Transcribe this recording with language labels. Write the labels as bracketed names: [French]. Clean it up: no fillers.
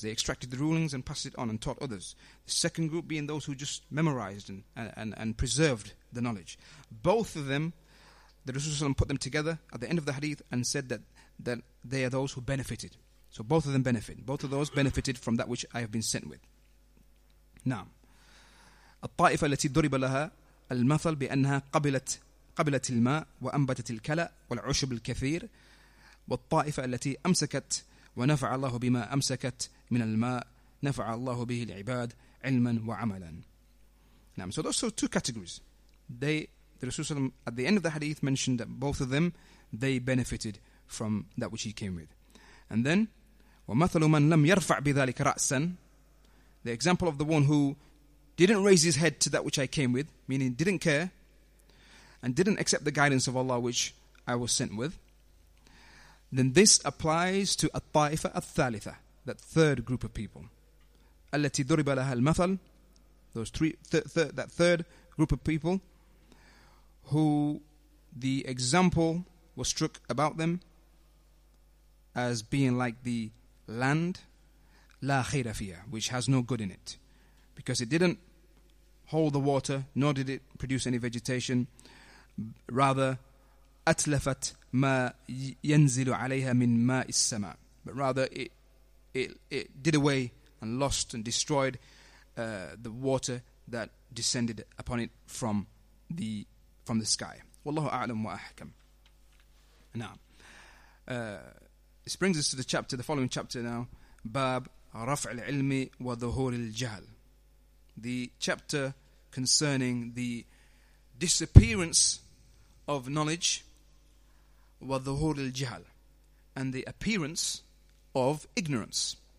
[English] They extracted the rulings and passed it on and taught others. The second group being those who just memorized and preserved the knowledge. Both of them, the Rasulullah ﷺ put them together at the end of the hadith and said that they are those who benefited. So both of them benefit. Both of those benefited from that which I have been sent with. [Arabic] نعم. الطائفة التي ضرب لها المثل بأنها قبلت الماء وأنبتت الكلى والعشب الكثير والطائفة التي أمسكت ونفع الله بما أمسكت من الماء نفع الله به العباد علما وعملا. نعم. [English] So those are two categories. The Rasulullah at the end of the hadith mentioned that both of them, they benefited from that which he came with. And then [Arabic] ومثل من لم يرفع بذلك رأسا. [English] The example of the one who didn't raise his head to that which I came with, meaning didn't care and didn't accept the guidance of Allah which I was sent with, then this applies to [Arabic] الطائفة الثالثة, [English] that third group of people. [Arabic] التي ضرب لها المثل, [English] those three, that third group of people who the example was struck about them as being like the land [Arabic] لا خير فيها, [English] which has no good in it, because it didn't hold the water, nor did it produce any vegetation. Rather, [Arabic] أتلفت ما ينزل عليها من ماء السماء. [English] But rather, it did away and lost and destroyed the water that descended upon it from the sky. Wallahu a'lam wa ahkam. Now, this brings us to the following chapter now, Bab Raf' al-'Ilmi wa Dhuhur al-Jahl, the chapter concerning the disappearance of knowledge, wa Dhuhur al-Jahl, and the appearance of ignorance.